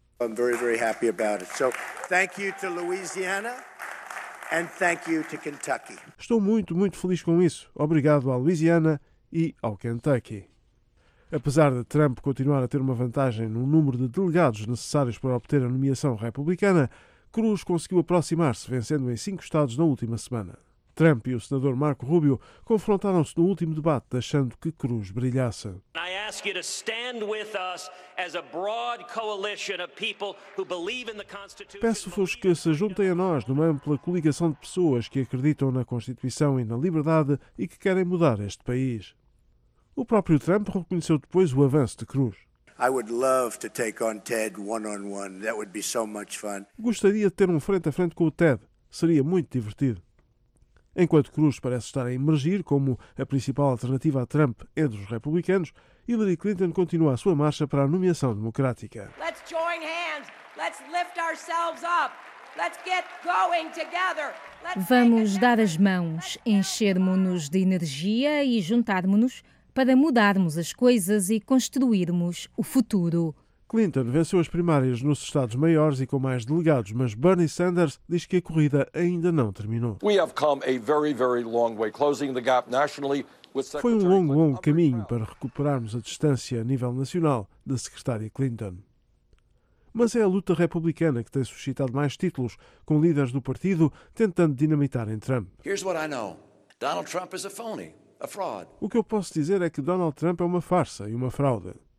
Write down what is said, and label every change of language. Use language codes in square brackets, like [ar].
[en] I'm very, very happy about it. So, thank you to Louisiana and thank you to Kentucky. [pt] Estou muito, muito feliz com isso. Obrigado à Louisiana e ao Kentucky. Apesar de Trump continuar a ter uma vantagem no número de delegados necessários para obter a nomeação republicana, Cruz conseguiu aproximar-se, vencendo em 5 estados na última semana. Trump e o senador Marco Rubio confrontaram-se no último debate, deixando que Cruz brilhasse. [en] I ask you to stand with us as a broad coalition of people who believe in the Constitution. [pt] Peço-vos que se juntem a nós numa ampla coligação de pessoas que acreditam na Constituição e na liberdade e que querem mudar este país. O próprio Trump reconheceu depois o avanço de Cruz. [en] I would love to take on Ted one-on-one. That would be so much fun. [pt] Gostaria de ter um frente a frente com o Ted. Seria muito divertido. Enquanto Cruz parece estar a emergir como a principal alternativa a Trump entre os republicanos, Hillary Clinton continua a sua marcha para a nomeação democrática. [en] Let's join hands. Let's lift ourselves up. Let's get going together. [pt] Vamos dar as mãos, enchermos-nos de energia e juntarmos-nos para mudarmos as coisas e construirmos o futuro. Clinton venceu as primárias nos estados maiores e com mais delegados, mas Bernie Sanders diz que a corrida ainda não terminou. [en] We have come a very, very long way, closing the gap nationally. [pt] Foi um longo, longo caminho para recuperarmos a distância a nível nacional da secretária Clinton. Mas é a luta republicana que tem suscitado mais títulos, com líderes do partido tentando dinamitar em Trump. [en] Here's what I know. Donald Trump is a phony. [pt] O que eu posso dizer é que Donald Trump é uma farsa e uma fraude.